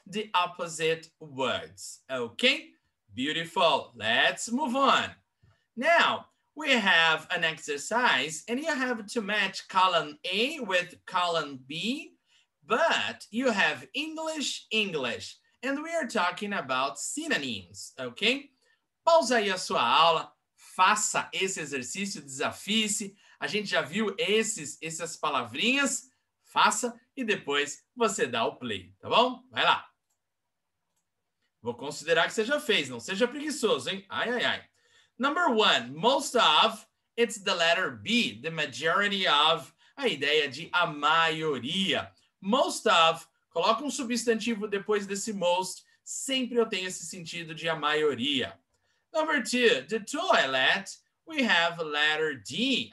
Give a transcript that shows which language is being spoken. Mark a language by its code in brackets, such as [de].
[en] The opposite words, okay? Beautiful. Let's move on. Now, we have an exercise, and you have to match column A with column B, but you have English, English, and we are talking about synonyms, okay? [pt] Pause aí a sua aula, faça esse exercício, desafie-se. A gente já viu essas palavrinhas, faça, e depois você dá o play, tá bom? Vai lá. Vou considerar que você já fez, não seja preguiçoso, hein? Ai, ai, ai. [en] Number 1, most of It's the letter B, the majority of, [pt] a ideia de a maioria. Most of, coloca um substantivo depois desse most, sempre eu tenho esse sentido de a maioria. [en] Number two, the toilet, we have letter D.